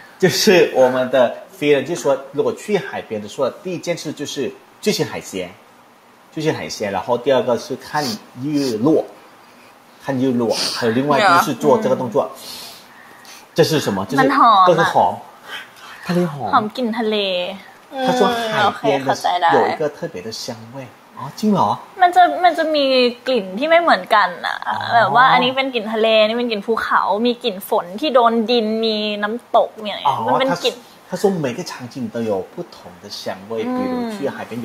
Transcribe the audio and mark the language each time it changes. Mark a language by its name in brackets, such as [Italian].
[Chinese] 就是我们的飞人就说如果去海边的时候第一件事就是去吃海鲜然后第二个是看日落看日落还有另外一个是做这个动作这是什么这是都是红它的红红跟它的它说海边的有一个特别的香味哦真的 [Thai] 哦มันจะมีกลิ่นที่ไม่เหมือนกันน่ะแบบว่าอันนี้เป็นกลิ่นทะเลนี่เป็นกลิ่นภูเขามีกลิ่นฝนที่โดนดินมีน้ําตกเนี่ยมัน เป็นกลิ่น ถ้าสมมุติ [Chinese] 每个场景都有不同的香味比如去海边有一